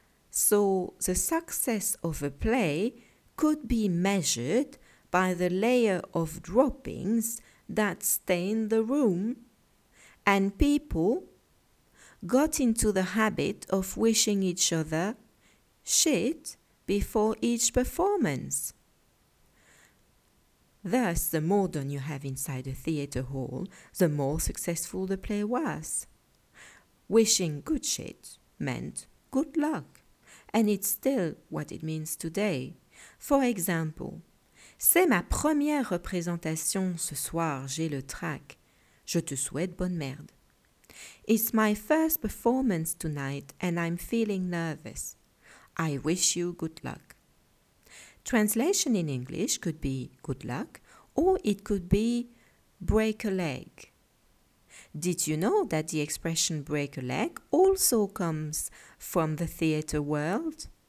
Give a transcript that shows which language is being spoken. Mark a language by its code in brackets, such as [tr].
[en] So the success of a play could be measured by the layer of droppings that stained the room, and people got into the habit of wishing each other shit before each performance. Thus, the more dung you have inside a theatre hall, the more successful the play was. Wishing good shit meant good luck, and it's still what it means today. [fr] For example, c'est ma première représentation ce soir, j'ai le trac. Je te souhaite bonne merde. [en] It's my first performance tonight and I'm feeling nervous. I wish you good luck. Translation in English could be good luck, or it could be break a leg. Did you know that the expression break a leg also comes from the theater world?